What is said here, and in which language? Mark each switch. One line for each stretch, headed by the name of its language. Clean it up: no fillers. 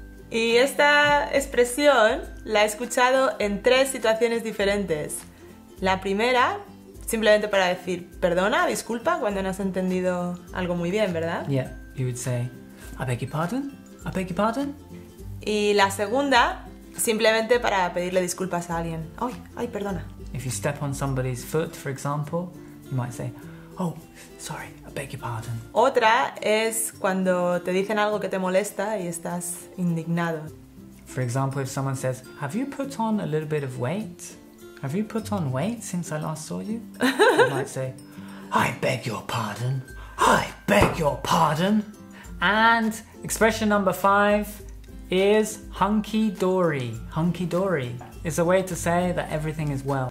Spanish: Y esta expresión la he escuchado en 3 situaciones diferentes. La primera, simplemente para decir perdona, disculpa, cuando no has entendido algo muy bien, ¿verdad?
English: Yeah, you would say, I beg your pardon, I beg your pardon.
Spanish: Y la segunda, simplemente para pedirle disculpas a alguien. Ay, ay, perdona.
English: If you step on somebody's foot, for example, you might say, oh, sorry, I beg your pardon.
Spanish: Otra es cuando te dicen algo que te molesta y estás indignado.
English: For example, if someone says, have you put on a little bit of weight? Have you put on weight since I last saw you? You might say, I beg your pardon. I beg your pardon. And expression number 5 is hunky-dory. Hunky-dory is a way to say that everything is well.